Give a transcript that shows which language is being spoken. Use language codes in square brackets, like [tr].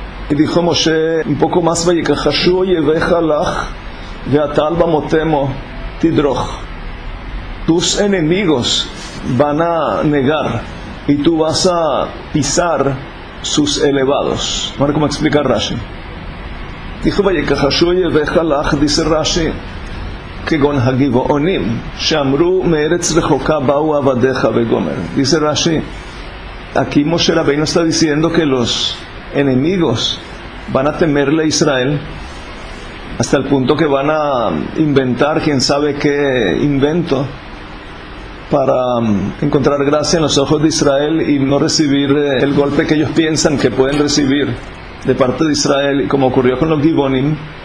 [es] Y dijo Moshe un poco más: [he] Vayikachashu yevecha lach ve'atal bamotemo tidroch. [es] Tus enemigos van a negar y tú vas a pisar sus elevados. Ahora, ¿cómo explicar Rashi? [he] Dijo Vayikachashu yevecha lach, dice Rashi, כגון הגבעונים שאמרו מארץ רחוקה באו עבדיך וגומר. [es] Dice Rashi, aquí Moshe Rabbeinu está diciendo que los enemigos van a temerle a Israel hasta el punto que van a inventar quién sabe qué invento para encontrar gracia en los ojos de Israel y no recibir el golpe que ellos piensan que pueden recibir de parte de Israel, como ocurrió con los gibonim.